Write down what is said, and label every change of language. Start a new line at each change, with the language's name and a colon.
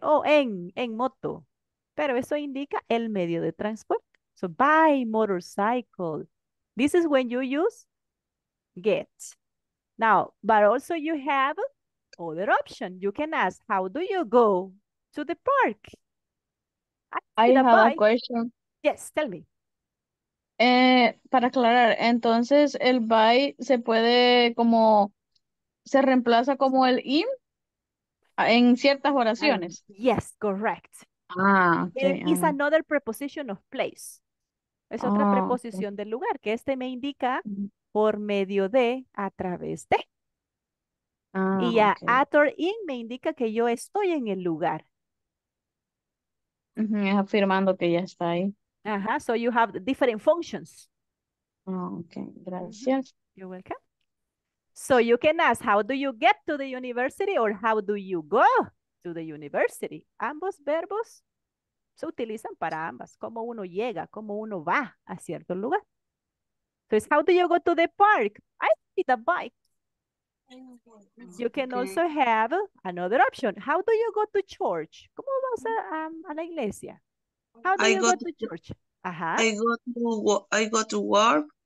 Spanish: O en moto. Pero eso indica el medio de transporte.
English: So by motorcycle. This is when you use get. Now, but also you have other option. You can ask, how do you go to the park? I have a question. Yes, tell me.
Spanish: Para aclarar, entonces el by se puede como, se reemplaza como el in en ciertas oraciones.
English: Yes, correct. Ah, okay. It is another preposition of place.
Spanish: Es otra preposición del lugar, que este me indica por medio de, a través de. Y at or in me indica que yo estoy en el lugar. Es afirmando que ya está ahí.
English: Ajá, so you have different functions.
Spanish: Okay, gracias.
English: You're welcome. So you can ask, how do you get to the university or how do you go to the university?
Spanish: Ambos verbos se utilizan para ambas. Cómo uno llega, cómo uno va a cierto lugar.
English: So it's how do you go to the park? I see the bike. You can also have another option. How do you go to church?
Spanish: ¿Cómo vas a la iglesia?
English: How do you go to church? Ajá. I go to work.